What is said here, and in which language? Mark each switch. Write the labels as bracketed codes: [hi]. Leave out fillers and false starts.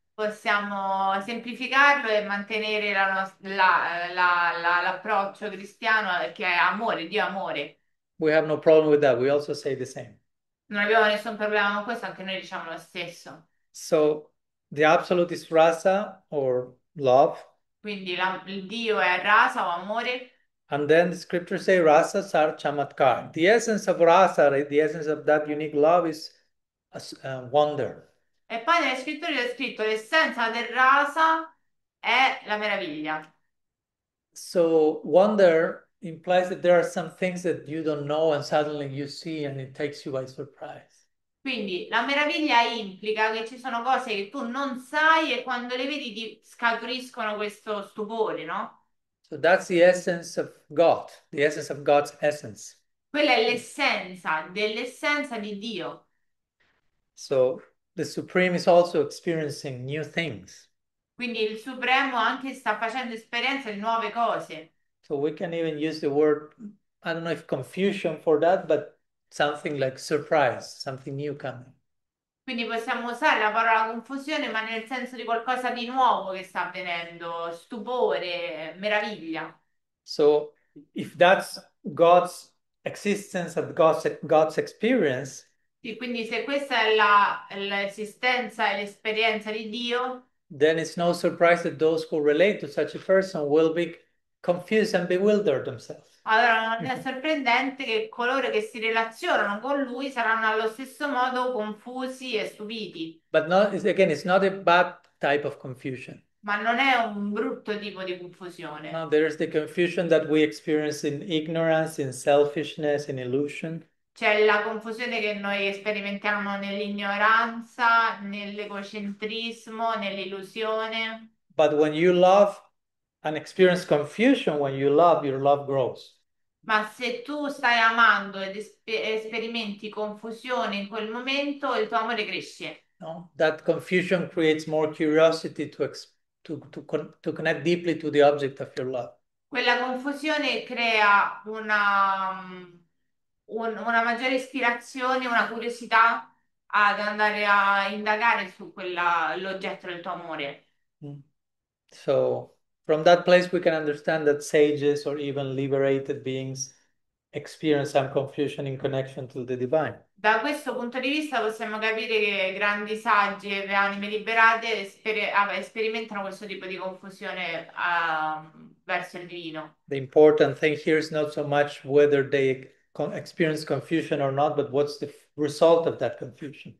[it] possiamo semplificarlo e mantenere l'approccio cristiano che è amore, Dio amore. [en] We have no problem with that. We also say the same. [it] Non abbiamo nessun problema con questo, anche noi diciamo lo stesso. [en] So the absolute is rasa or love. [it] Quindi il Dio è rasa o amore. [en] And then the scriptures say [sa] rasa sar chamatkar. [en] The essence of rasa, the essence of that unique love is wonder. [it] E poi nelle scritture c'è scritto: l'essenza del rasa è la meraviglia. [en] So wonder implies that there are some things that you don't know and suddenly you see and it takes you by surprise. [it] Quindi la meraviglia implica che ci sono cose che tu non sai e quando le vedi ti scaturiscono questo stupore, [en] So that's the essence of God, the essence of God's essence. [it] no? Quella è l'essenza dell'essenza di Dio. [en] So the Supreme is also experiencing new things. [it] Quindi il Supremo anche sta facendo esperienza di nuove cose. [en] So we can even use the word, I don't know if confusion for that, but something like surprise, something new coming. [it] Quindi possiamo usare la parola confusione, ma nel senso di qualcosa di nuovo che sta avvenendo, stupore, meraviglia. [en] So, if that's God's existence and God's experience, [it] Sì, quindi se questa è l'esistenza e l'esperienza di Dio. [en] then it's no surprise that those who relate to such a person will be confused and bewildered themselves. [it] Allora, non è sorprendente che coloro che si relazionano con lui saranno allo stesso modo confusi e stupiti. [en] But no, again, it's not a bad type of confusion. [it] Ma non è un brutto tipo di confusione. [en] No, there is the confusion that we experience in ignorance, in selfishness, in illusion. [it] C'è la confusione che noi sperimentiamo nell'ignoranza, nell'egocentrismo, nell'illusione. [en] But when you love and experience confusion, when you love, your love grows. [it] Ma se tu stai amando ed sperimenti confusione in quel momento, il tuo amore cresce. [en] No, that confusion creates more curiosity to experience. To connect deeply to the object of your love. [it] Quella confusione crea una maggiore ispirazione, una curiosità ad andare a indagare su l'oggetto del tuo amore. [en] So, from that place, we can understand that sages or even liberated beings experience some confusion in connection to the divine. [it] Da questo punto di vista possiamo capire che grandi saggi e anime liberate sperimentano questo tipo di confusione, verso il divino. [en] The important thing here is not so much whether they experience confusion or not, but what's the result of that confusion.